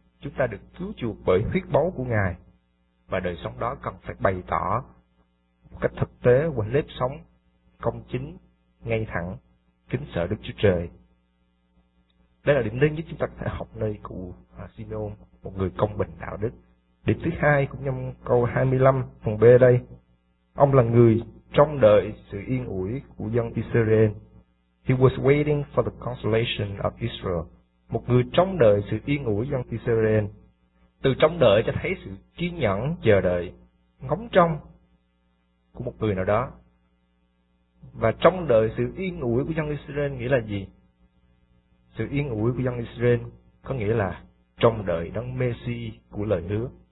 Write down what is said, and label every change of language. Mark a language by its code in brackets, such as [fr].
[vi] Chúng ta được cứu chuộc bởi huyết báu của Ngài. Và đời sống đó cần phải bày tỏ một cách thực tế qua nếp sống công chính, ngay thẳng, kính sợ Đức Chúa Trời. Đây là điểm thứ nhất chúng ta có thể học nơi cụ Simeon, một người công bình đạo đức. Điểm thứ hai cũng nhằm câu 25 phần B đây. Ông là người trông đợi sự yên ủi của dân Israel. [en] He was waiting for the consolation of Israel. [vi] Một người trông đợi sự yên ủi dân Israel. Từ trông đợi cho thấy sự kiên nhẫn, chờ đợi, ngóng trông của một người nào đó. Và trông đợi sự yên ủi của dân Israel nghĩa là gì? Sự yên ủi của dân Israel có nghĩa là trông đợi đấng Messi của lời hứa.